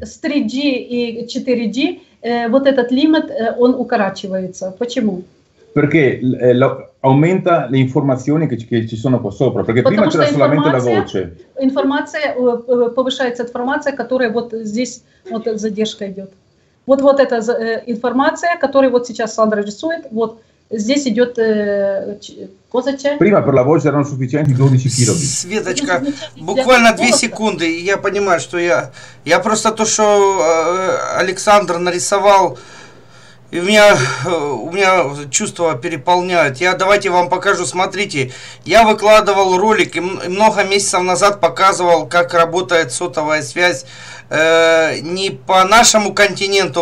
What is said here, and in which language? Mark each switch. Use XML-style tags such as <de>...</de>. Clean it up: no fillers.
<ru>С 3G и 4G вот этот лимит он укорачивается. Почему?</ru> <it>Perché aumenta le informazioni che ci sono qua sopra, perché prima c'era solamente la voce.</it> <ru>Informazione, повышается информация, которая вот здесь вот задержка идет. Вот вот эта информация, которую вот сейчас Сандра рисует, вот здесь идет козача.</ru> <it>Prima per la voce erano sufficienti 12 kilobit.</it> <ru>Светочка, буквально 2 секунды, и я понимаю, что я просто то, что Александр нарисовал. И у меня чувства переполняют. Я давайте вам покажу. Смотрите, я выкладывал ролик и много месяцев назад показывал, как работает сотовая связь не по нашему континенту.</ru>